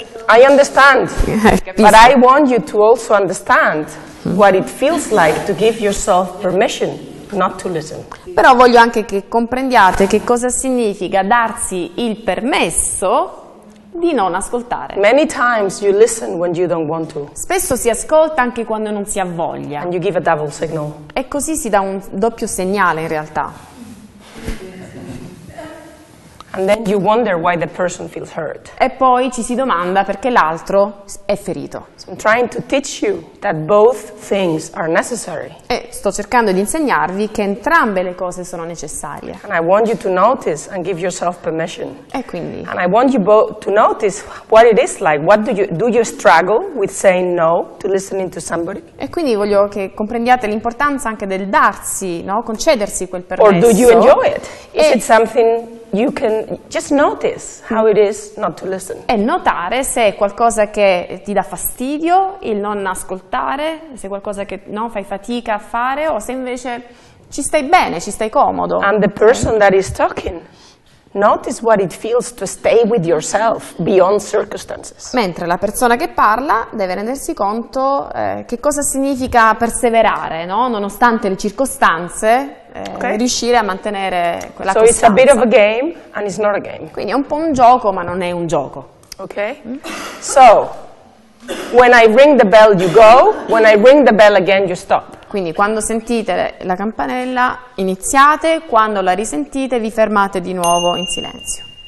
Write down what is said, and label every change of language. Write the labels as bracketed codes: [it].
[en] I understand, but I want you to also understand what it feels like to give yourself permission not to listen. [it] Però voglio anche che comprendiate che cosa significa darsi il permesso di non ascoltare. [en] Many times you listen when you don't want to. [it] Spesso si ascolta anche quando non si ha voglia. [en] And you give a double signal. [it] E così si dà un doppio segnale in realtà. [en] And then you wonder why the person feels hurt. [it] E poi ci si domanda perché l'altro è ferito. [en] So I'm trying to teach you that both things are necessary. [it] E sto cercando di insegnarvi che entrambe le cose sono necessarie. [en] And I want you to notice and give yourself permission. [it] E quindi. [en] And I want you both to notice what it is like. What do you struggle with saying no to listening to somebody? [it] E quindi voglio che comprendiate l'importanza anche del darsi, no, concedersi quel permesso. [en] Or do you enjoy it? Is it something you can just notice how it is not to listen. [it] E notare se è qualcosa che ti dà fastidio il non ascoltare, se è qualcosa che non fai fatica a fare o se invece ci stai bene, ci stai comodo. [en] And the person that is talking, notice what it feels to stay with yourself beyond circumstances. [it] Mentre la persona che parla deve rendersi conto che cosa significa perseverare, no? Nonostante le circostanze, okay. Riuscire a mantenere quella [en] costanza. So it's a bit of a game and it's not a game. [it] Quindi è un po' un gioco, ma non è un gioco. [en] Okay. So when I ring the bell you go, when I ring the bell again you stop. [it] Quindi quando sentite la campanella iniziate, quando la risentite vi fermate di nuovo in silenzio.